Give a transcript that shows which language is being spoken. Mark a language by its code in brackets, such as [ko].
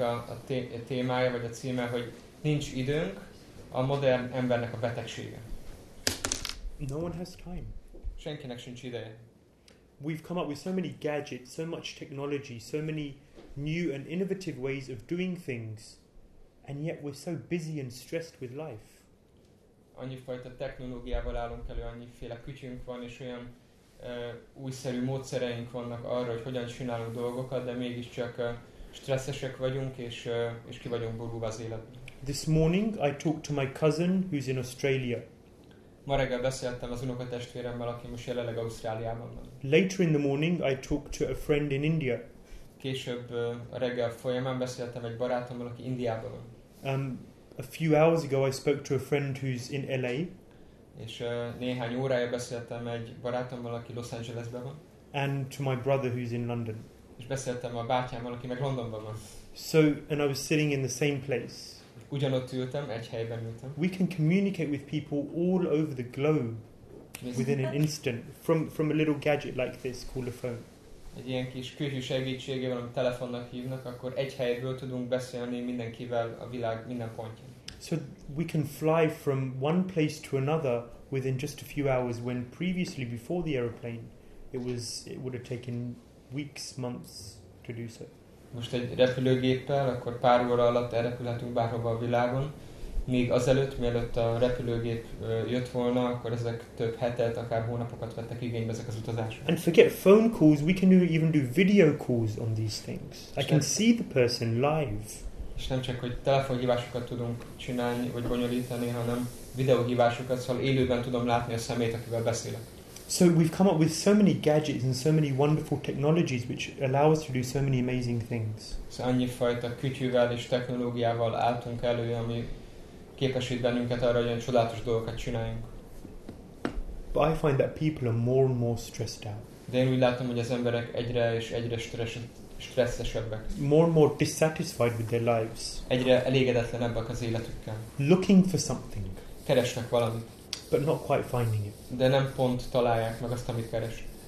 [hu] Az ennek a cikknek a témája, vagy a címe, hogy nincs időnk a modern embernek a betegsége. [en] No one has time. [hu] Senkinek sincs ideje. [en] We've come up with so many gadgets, so much technology, so many new and innovative ways of doing things, and yet we're so busy and stressed with life. [hu] Annyi fajta technológiával állunk elő, annyiféle kütyünk van, és olyan újszerű módszereink vannak arra, hogy hogyan csinálunk dolgokat, de mégiscsak stresszesek vagyunk, és ki vagyunk borulva az életben. [en] This morning I talked to my cousin who's in Australia. [hu] Ma reggel beszéltem az unokatestvéremmel, aki most jelenleg Ausztráliában van. [en] Later in the morning I talked to a friend in India. [hu] Később a reggel folyamán beszéltem egy barátommal, aki Indiában van. [en] A few hours ago I spoke to a friend who's in LA. [hu] És néhány órája beszéltem egy barátommal, aki Los Angelesben van. [en] And to my brother who's in London. [hu] És beszéltem a bátyámmal, aki meg Londonban van. [en] So, and I was sitting in the same place. [hu] Ugyanott ültem, egy helyben ültem. [en] We can communicate with people all over the globe within an instant from a little gadget like this called a phone. [hu] Egy ilyen kis kütyű segítségével, amit telefonnak hívnak, akkor egy helyről tudunk beszélni mindenkivel a világ minden pontján. [en] So we can fly from one place to another within just a few hours when previously before the aeroplane it would have taken weeks, months to do so. [hu] Most egy repülőgéppel, akkor pár óra alatt elrepülhetünk bárhova a világon. Míg azelőtt, mielőtt a repülőgép jött volna, akkor ezek több hetet, akár hónapokat vettek igénybe ezek az utazások. [en] And forget phone calls, we can even do video calls on these things. I can see the person live. [hu] És nem csak, hogy telefonhívásokat tudunk csinálni, vagy bonyolítani, hanem videóhívásokat, szóval élőben tudom látni a szemét, akivel beszélek. [en] So we've come up with so many gadgets and so many wonderful technologies which allow us to do so many amazing things. [hu] So annyi fajta kütyűvel és technológiával álltunk elő, ami képesít bennünket arra, hogy olyan csodálatos dolgokat csináljunk. [en] But I find that people are more and more stressed out. [hu] De én úgy látom, hogy az emberek egyre és egyre stresszesebbek. [en] More and more dissatisfied with their lives. [hu] Egyre elégedetlenebbek az életükkel. [en] Looking for something. [hu] Keresnek valamit. [en] But not quite finding it. [hu] De nem pont találják meg azt, amit keres.